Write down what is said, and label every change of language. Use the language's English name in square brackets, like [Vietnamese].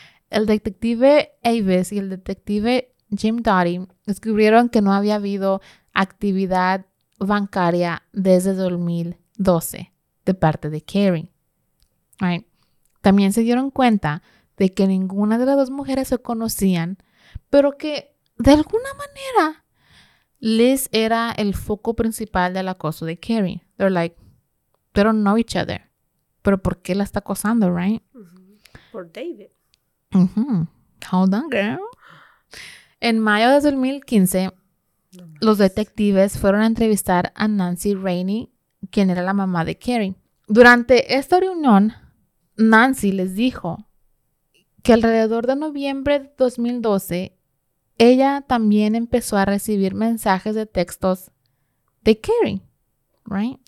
[Spanish] El detective Avis y el detective Jim Doughty descubrieron que no había habido actividad bancaria desde 2012 de parte de Carrie. Right. También se dieron cuenta de que ninguna de las dos mujeres se conocían, pero que de alguna manera Liz era el foco principal del acoso de Carrie. [English] They're like, they don't know each other. [Spanish] Pero ¿por qué la está acosando, right? Por David. [English] Hold on, girl. [Spanish] En mayo de 2015, los detectives fueron a entrevistar a Nancy Rainey, quien era la mamá de Carrie. Durante esta reunión, Nancy les dijo que alrededor de noviembre de 2012, ella también empezó a recibir mensajes de textos de Carrie, right?